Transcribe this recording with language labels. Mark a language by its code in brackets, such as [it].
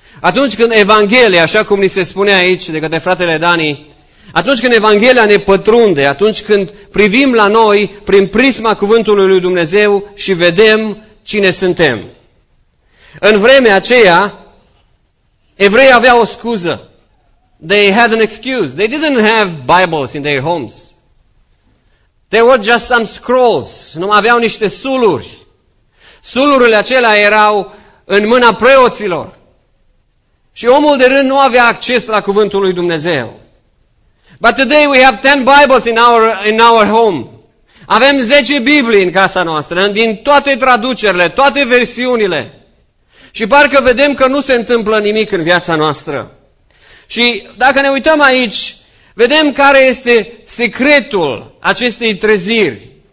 [ro] Atunci când Evanghelia, așa cum ni se spune aici de către fratele Dani, atunci când Evanghelia ne pătrunde, atunci când privim la noi prin prisma cuvântului lui Dumnezeu și vedem cine suntem. În vremea aceea, evreii aveau o scuză. [en] They had an excuse. They didn't have Bibles in their homes. They were just some scrolls. [ro] Nu aveau niște suluri. Sulurile acelea erau în mâna preoților. Și omul de rând nu avea acces la cuvântul lui Dumnezeu. [en] But today we have 10 Bibles in our home. [ro] Avem 10 Biblii în casa noastră, din toate traducerile, toate versiunile. Și parcă vedem că nu se întâmplă nimic în viața noastră. Și dacă ne uităm aici, vedem care este secretul acestei treziri.